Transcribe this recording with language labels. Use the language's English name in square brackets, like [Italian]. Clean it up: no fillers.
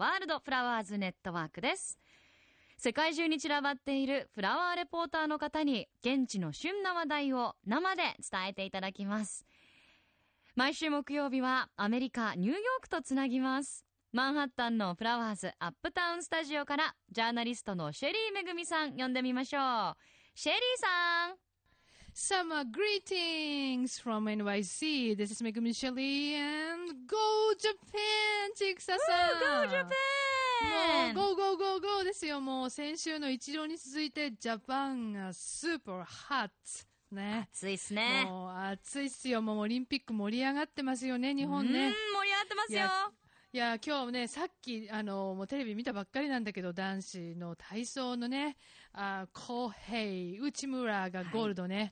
[Japanese] ワールドフラワーズネットワークです。世界中に散らばっているフラワーレポーターの方に現地の旬な話題を生で伝えていただきます。毎週木曜日はアメリカニューヨークとつなぎます。マンハッタンのフラワーズアップタウンスタジオからジャーナリストのシェリーめぐみさん呼んでみましょう。シェリーさん。 [English] Summer greetings from NYC. This is Megumi Shelley and Go Japan! [Japanese] ちぐささん。もう [English] Go Go Go Go [Japanese] ですよ。もう先週の一浪に続いてジャパンがスーパーハッツね、暑いですね。もう暑いっすよ。もうオリンピック盛り上がってますよね、日本ね。盛り上がってますよ。いや今日ね、さっきもうテレビ見たばっかりなんだけど、男子の体操のね、康平、内村がゴールドね。